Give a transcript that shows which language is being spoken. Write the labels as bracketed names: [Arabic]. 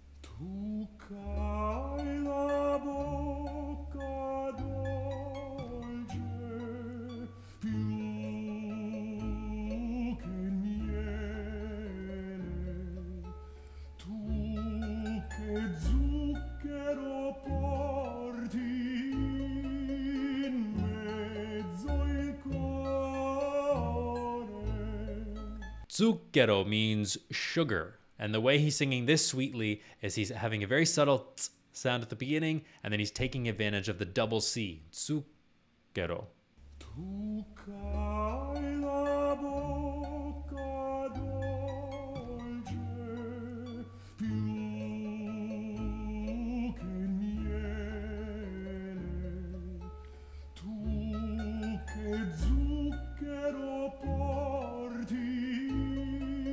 [Italian] Tu c'hai la bocca dolce, più che miele, tu che zucchero porti in mezzo il cuore. [English] Zucchero means sugar. And the way he's singing this sweetly is he's having a very subtle t sound at the beginning, and then he's taking advantage of the double C, zucchero. [Italian] Tu c'hai la bocca dolce, più che miele, tu che zucchero porti.